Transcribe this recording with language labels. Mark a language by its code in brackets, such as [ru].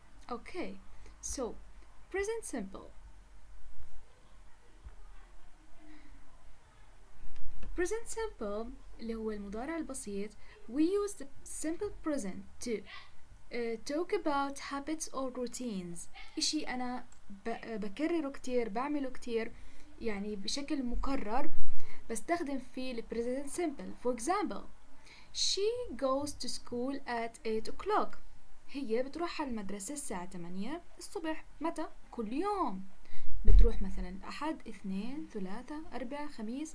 [en] Okay, so present simple. [ar] Present simple اللي هو المضارع البسيط. [en] We use the simple present to talk about habits or routines. [ar] إشي أنا بكرره كتير, بعمله كتير, يعني بشكل مكرر, بستخدم فيه the present simple. [en] For example, she goes to school at 8 o'clock. [ar] هي بتروح على المدرسة الساعة 8 الصبح. متى؟ كل يوم بتروح, مثلا احد, اثنين, ثلاثة, اربعة, خميس.